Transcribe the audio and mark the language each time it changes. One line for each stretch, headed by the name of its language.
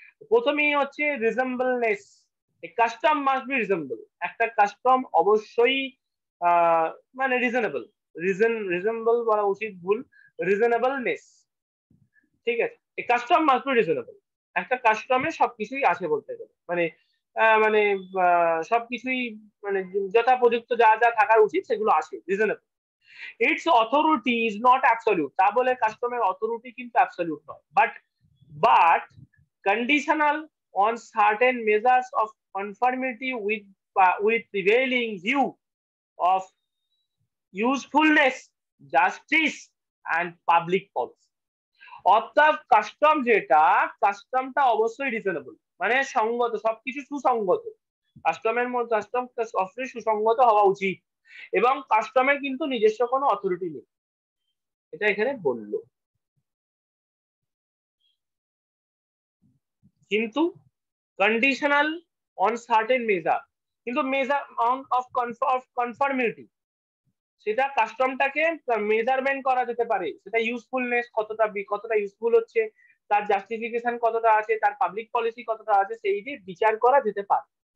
Bangla: প্রথমেই হচ্ছে রিজেম্বলনেস,
English: custom must be resemble,
Bangla: একটা কাস্টম অবশ্যই মানে রিজনেবল, রিজেম্বল বলা উচিত ভুল, রিজনেবলনেস, ঠিক আছে,
English: custom must be reasonable,
Bangla: একটা কাস্টমে সবকিছুই আছে বলতে গেলে, মানে মানে সবকিছুই মানে যথাপযুক্ত যা যা থাকার উচিত সেগুলো আছে, reasonable.
English: Its authority is not absolute,
Bangla: ta bole customer authority kintu absolute noy,
English: but conditional on certain measures of conformity with prevailing view of usefulness, justice and public policy.
Bangla: Ortho custom jeta, custom ta obosshoi reasonable, mane shongoto, sob kichu susongoto, customer moto custom ta obosshoi susongoto hoba uchit, এবং কাস্টমের কিন্তু নিজস্ব কোনো authority নেই, এটা এখানে বলল। কিন্তু
English: conditional on certain measure,
Bangla: কিন্তু মেজার অফ কনফর্মিটি, সেটা কাস্টমটাকে মেজারমেন্ট করা যেতে পারে, সেটা ইউজফুলনেস কতটা ইউজফুল হচ্ছে, তার জাস্টিফিকেশন কতটা আছে, তার পাবলিক পলিসি কতটা আছে, সেই দিয়ে বিচার করা যেতে পারে।